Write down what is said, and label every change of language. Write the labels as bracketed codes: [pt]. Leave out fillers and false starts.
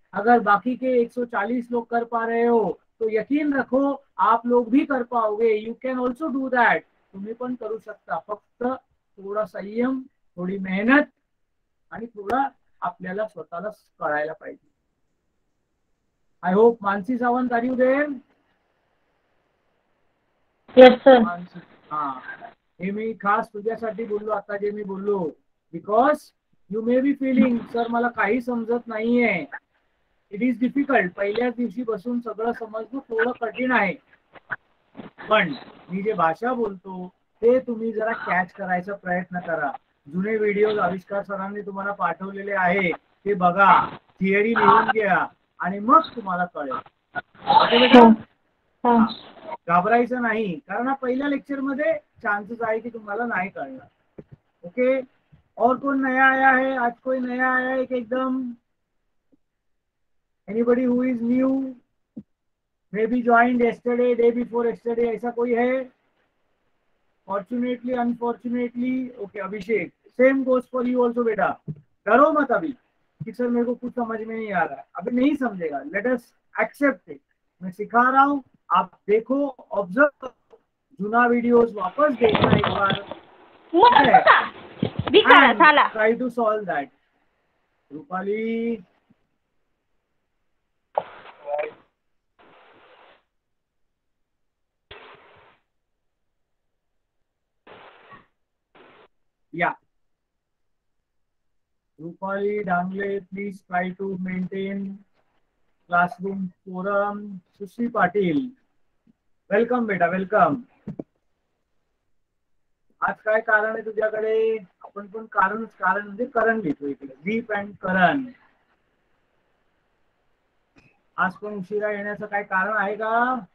[hi] अगर बाकी के 140 लोग कर पा रहे हो तो यकीन रखो आप लोग भी कर पाओगे, [en] you can also do that, [mr] तुम्हें पन करू सकता, फक्त थोड़ा संयम, थोड़ी मेहनत आणि थोड़ा अपने स्वतःला कळायला पाहिजे। [en] I hope Mansi Sawant are you there, yes sir. [mr] हाँ हे मी खास तुझ्यासाठी बोललो आता जे मी बोललो, [en] because you may be feeling sir [mr] मला काही समजत नाहीये, [en] it is difficult, [mr] पहिल्याच दिवशी बसून सगळं समजणं थोडं कठीण आहे, पण मी जे भाषा बोलतो ते तुम्ही जरा कॅच करायचा प्रयत्न करा, जुने व्हिडिओ आविष्कार सरांनी तुम्हाला पाठवलेले आहे ते बघा, थिअरी लिहून घ्या आणि मग तुम्हाला कळेल, ओके बेटा। हाँ घाबरायचं नाही, कारण हा पहिल्या लेक्चर मध्ये चान्सेस आहे की तुम्हाला नाही कळणार, ओके। [hi] और कोण नया आया है आज, कोई नया आया है कि एकदम, [en] anybody who is new, maybe joined yesterday day before yesterday, [hi] ऐसा कोई है? Fortunately unfortunately, okay Abhishek, [en] same goes for you also [hi] बेटा, डरो मत अभी कि सर मेरे को कुछ समझ में नहीं आ रहा है, अभी नहीं समझेगा, [en] let us accept it, [hi] मैं सिखा रहा हूँ, आप देखो ऑब्जर्व, जूना वीडियोस वापस देखना एक बार, ठीक है, बिकार एंड साला। [en] Try to solve that. Rupali Rupali या Rupali Dangle, please try to maintain classroom forum. [mr] Sushi Patil welcome बेटा, वेलकम, आज काय कारण है तुझ्याकडे? आपण पण कारण, कारण म्हणजे करण घेतो इकडे, दीप अँड करण, आज पण उशिरा येण्याचं काय कारण आहे का?